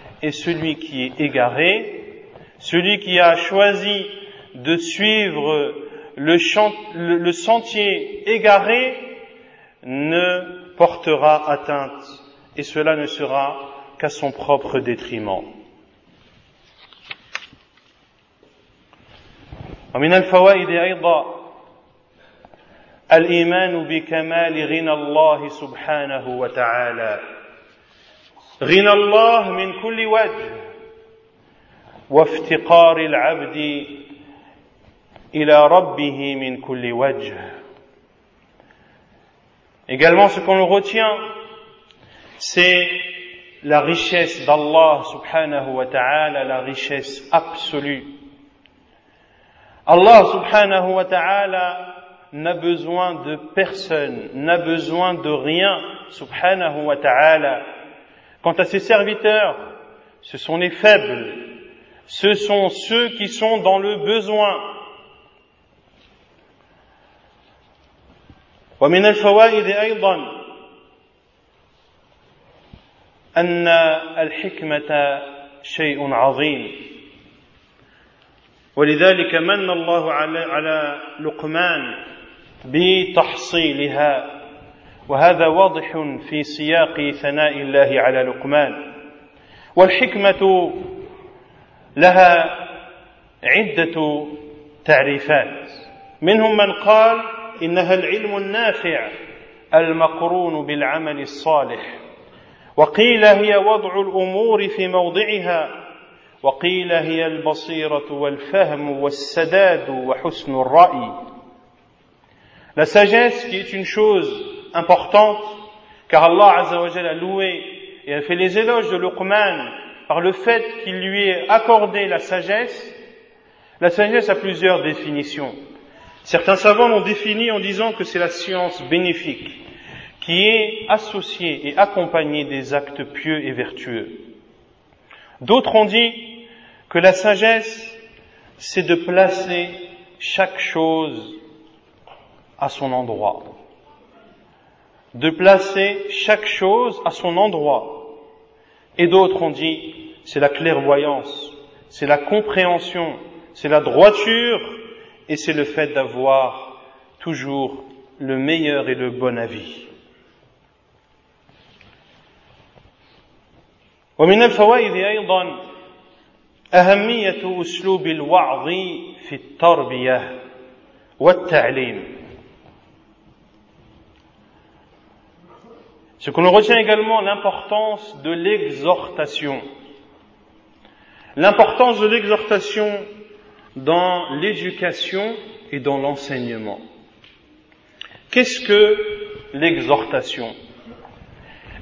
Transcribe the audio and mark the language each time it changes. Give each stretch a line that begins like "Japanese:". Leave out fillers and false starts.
French: Et celui qui est égaré, celui qui a choisi de suivre le sentier égaré, ne portera atteinte, et cela ne sera qu'à son propre détriment.
Arabic: ومن الفوائد أيضا الإيمان بكمال غنى الله سبحانه وتعالى. غنى الله من كل وجه وافتقار العبد إلى ربه من كل وجه.
French: Également, ce qu'on retient, c'est la richesse d'Allah subhanahu wa ta'ala, la richesse absolue. Allah subhanahu wa ta'ala n'a besoin de personne, n'a besoin de rien, subhanahu wa ta'ala. Quant à ses serviteurs, ce sont les faibles, ce sont ceux qui sont dans le besoin.
Arabic: ومن الفوائد أيضا أن الحكمة شيء عظيم ولذلك من الله على لقمان بتحصيلها وهذا واضح في سياق ثناء الله على لقمان والحكمة لها عدة تعريفات منهم من قال إنها العلم النافع المقرون بالعمل الصالح وقيل هي وضع الأمور في موضعها وقيل هي البصيرة والفهم والسداد وحسن الرأي.
French: La sagesse, qui est une chose importante, car Allah Azza wa Jalla a loué et a fait les éloges de Luqman par le fait qu'il lui ait accordé la sagesse. La sagesse a plusieurs définitions. Certains savants l'ont défini en disant que c'est la science bénéfique qui est associée et accompagnée des actes pieux et vertueux. D'autres ont dit que la sagesse, c'est de placer chaque chose à son endroit. De placer chaque chose à son endroit. Et d'autres ont dit, c'est la clairvoyance, c'est la compréhension, c'est la droiture, et c'est le fait d'avoir toujours le meilleur et le bon avis.
Arabic: ومن الفوائد أيضا أهمية أسلوب الوعظ في التربية والتعليم.
French: Ce que l'on retient également, l'importance de l'exhortation. L'importance de l'exhortation dans l'éducation et dans l'enseignement. Qu'est-ce que l'exhortation ?